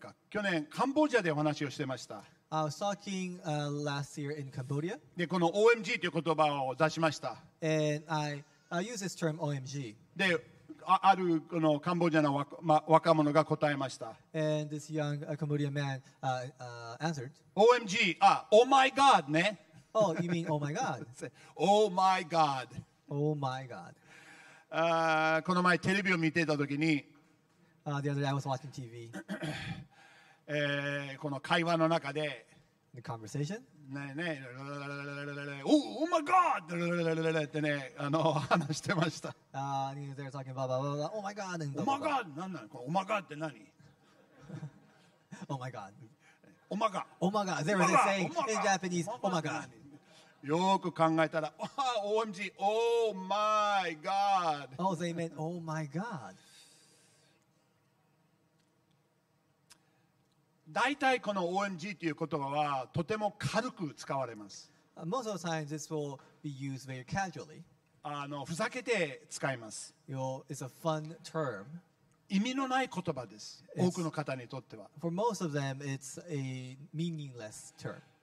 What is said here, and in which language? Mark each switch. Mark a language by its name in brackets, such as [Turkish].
[Japanese] 去年、カンボジアでお話をしてました。 [English] I was talking last year in Cambodia. [Japanese] で、この OMG という言葉を出しました。 [English] And I use this term OMG. [Japanese] で、あるこのカンボジアの 若者が答えました。 [English] And this young Cambodian man answered. OMG, Oh my God, ね。 Oh, you mean Oh my God? Oh my God. Oh my God. [Japanese] この前テレビを見てた時に、 [English] The other day I was watching TV. [Japanese] この会話の中で、 [English] The conversation? [Japanese] ねえねえ、 [English] Oh my God! [Japanese] ってね、話してました。 [English] They're talking about, blah, blah, blah, oh my God! Oh my God! Oh my God! [Japanese] って何？ [English] Oh my God! Oh my God! Oh my God! They were saying in Japanese, Oh my God! [Japanese] よく考えたら、 [English] OMG! Oh my God! Oh, they meant, Oh my God! [Japanese] 大体この OMG という言葉はとても軽く使われます。 [English] Most of the time, this will be used very casually. [Japanese] ふざけて使います。 [English] It's a fun term. [Japanese] 意味のない言葉です。多くの方にとっては。 [English] For most of them, it's a meaningless term.